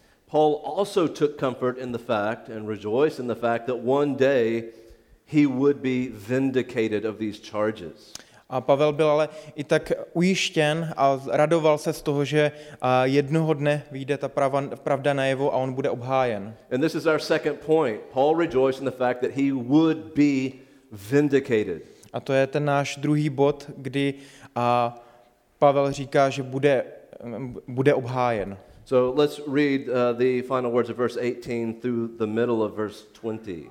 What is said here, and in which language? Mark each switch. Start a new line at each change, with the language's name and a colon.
English: Paul also took comfort in the fact and rejoiced in the fact that one day he would be vindicated of these charges.
Czech: A Pavel byl ale i tak ujištěn a radoval se z toho, že jednoho dne vyjde ta pravda najevo a on bude obhájen.
English: And this is our second point. Paul rejoiced in the fact that he would be vindicated.
Czech: A to je ten náš druhý bod, kdy Pavel říká, že bude obhájen.
English: So let's read the final words of verse 18 through the middle of verse 20.